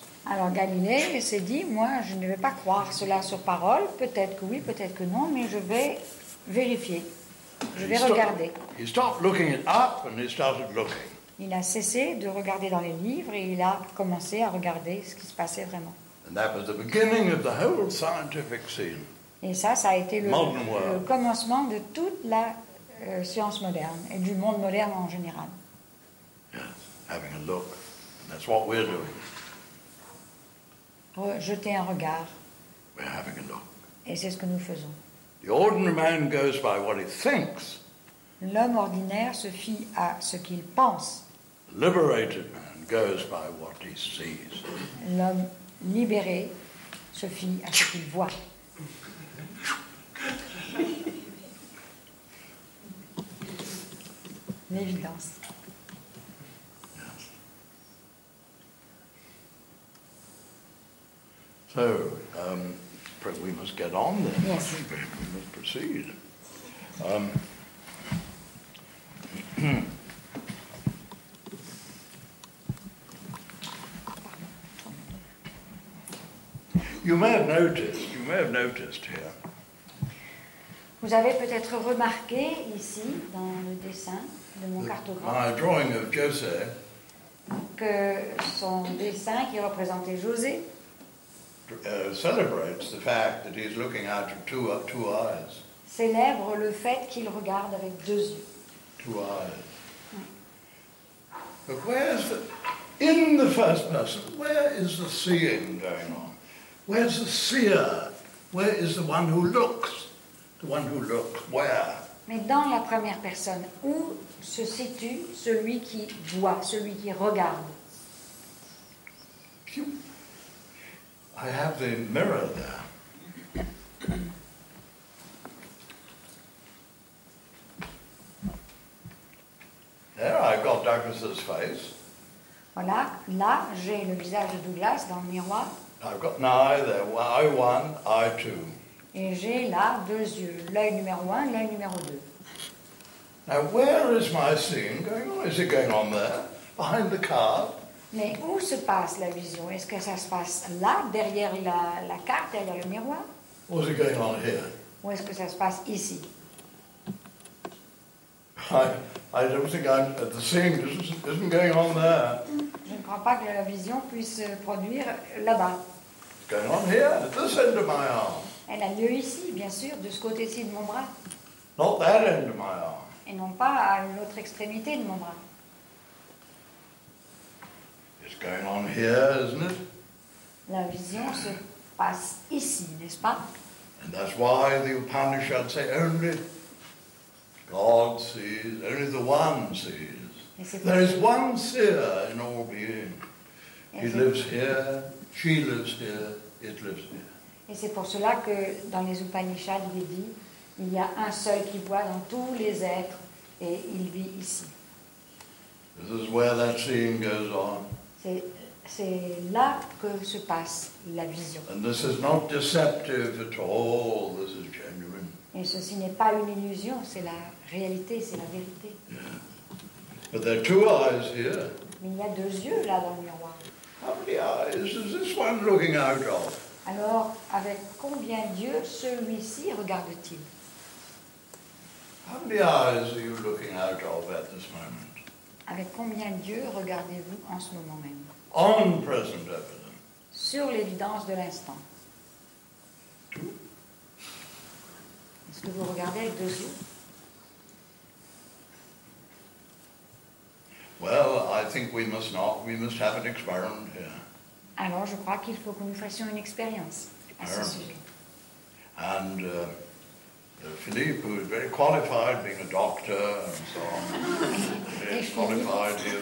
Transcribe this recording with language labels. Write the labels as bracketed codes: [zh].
[fr] Alors, Galilée s'est dit, moi, je ne vais pas croire cela sur parole. Peut-être que oui, peut-être que non, mais je vais vérifier. Je vais regarder. Il a cessé de regarder dans les livres et il a commencé à regarder ce qui se passait vraiment. [en] And that was the beginning of the whole scientific scene. [fr] Et ça, ça a été le commencement de toute la science moderne et du monde moderne en général. [en] Yes, having a look. That's what we're doing. [fr] Jeter un regard. [en] We're having a look. [fr] Et c'est ce que nous faisons. [en] The ordinary man goes by what he thinks. [fr] L'homme ordinaire se fie à ce qu'il pense. [en] The liberated man goes by what he sees. [fr] L'homme libéré se fie à ce qu'il voit. L'évidence. [en] Yes. So, we must get on then. Yes. We must proceed. you may have noticed here. [fr] Vous avez peut-être remarqué ici dans le dessin de mon cartographe, [en] my drawing of José, [fr] que son dessin qui représentait José [en] celebrates the fact that he's looking out of two eyes. [fr] Célèbre le fait qu'il regarde avec deux yeux. [en] Two eyes. But where's the, in the first person, where is the seeing going on? Where's the seer? Where is the one who looks? The one who looks where? [fr] Mais dans la première personne, où se situe celui qui voit, celui qui regarde? [en] I have the mirror there. There I've got Douglas's face. [fr] Voilà, là j'ai le visage de Douglas dans le miroir. [en] I've got an eye there, eye 1, eye 2. [fr] Et j'ai là deux yeux, l'œil numéro 1, l'œil numéro 2. [en] Now where is my seeing going on? Is it going on there, behind the card? [fr] Mais où se passe la vision? Est-ce que ça se passe là, derrière la carte, derrière le miroir? [en] Or is it going on here? [fr] Ou est-ce que ça se passe ici? [en] I don't think the seeing isn't going on there. [fr] Je ne crois pas que la vision puisse produire là-bas. [en] It's going on here, at this end of my arm. [fr] Elle a lieu ici, bien sûr, de ce côté-ci de mon bras. [en] Not that end of my arm. [fr] Et non pas à l'autre extrémité de mon bras. [en] It's going on here, isn't it? [fr] La vision se passe ici, n'est-ce pas? [en] And that's why the Upanishads say only God sees, only the One sees. There is one seer in all being. He lives here, she lives here, it lives here. [fr] Et c'est pour cela que dans les Upanishads, il est dit, il y a un seul qui voit dans tous les êtres et il vit ici. [en] This is where that scene goes on. [fr] C'est là que se passe la vision. [en] And this is not deceptive at all. This is genuine. [fr] Et ceci n'est pas une illusion, c'est la réalité, c'est la vérité. [en] Yeah. But there are two eyes here. [fr] Mais il y a deux yeux là dans le miroir. [en] How many eyes is this one looking out of? [fr] Alors, avec combien d'yeux celui-ci regarde-t-il? [en] How many eyes are you looking out of at this moment? [fr] Avec combien d'yeux regardez-vous en ce moment même? [en] On present evidence. [fr] Sur l'évidence de l'instant. [en] Two. [fr] Est-ce que vous regardez avec deux yeux? [en] Well, I think we must not. We must have an experiment here. [fr] Alors, je crois qu'il faut que nous fassions une expérience à ce sujet. [en] And Philippe, who is very qualified, being a doctor and so on, he's qualified.